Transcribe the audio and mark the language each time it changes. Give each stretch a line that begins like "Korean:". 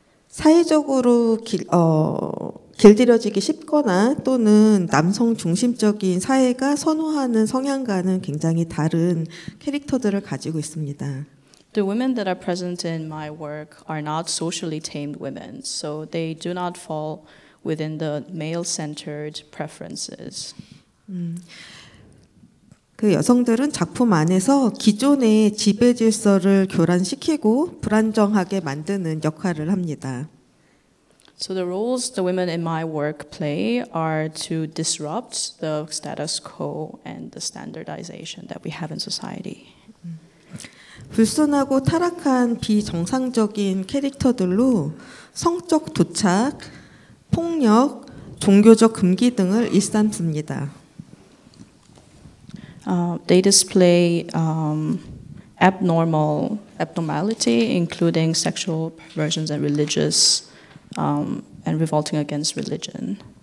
Korean: 사회적으로 길들여지기 쉽거나 또는 남성 중심적인 사회가 선호하는 성향과는 굉장히 다른 캐릭터들을 가지고 있습니다.
English: The women that are present in my work are not socially tamed women, so they do not fall within the male-centered preferences.
Korean: 그 여성들은 작품 안에서 기존의 지배 질서를 교란시키고 불안정하게 만드는 역할을 합니다.
English: So the roles the women in my work play are to disrupt the status quo and the standardization that we have in society.
Korean: 불순하고 타락한 비정상적인 캐릭터들로 성적 도착, 폭력, 종교적 금기 등을 일삼습니다.
English: They display abnormality, including sexual perversions and religious and revolting against religion.